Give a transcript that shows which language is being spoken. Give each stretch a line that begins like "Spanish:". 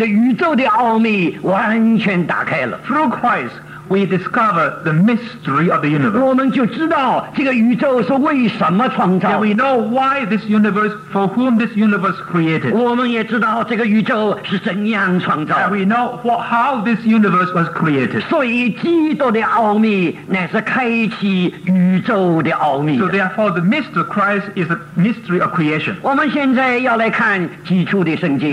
Chinese: 我们用基督就把这个宇宙的奥秘完全打开了。
English: Through Christ, we discover the mystery of the universe.
Chinese: 我们就知道这个宇宙是为什么创造。
English: And we know why this universe, for whom this universe created.
Chinese: 我们也知道这个宇宙是怎样创造。
English: And we know how this universe was created.
Chinese: 所以基督的奥秘乃是开启宇宙的奥秘。
English: So therefore, the mystery of Christ is the mystery of creation.
Chinese: 我们现在要来看几处的圣经。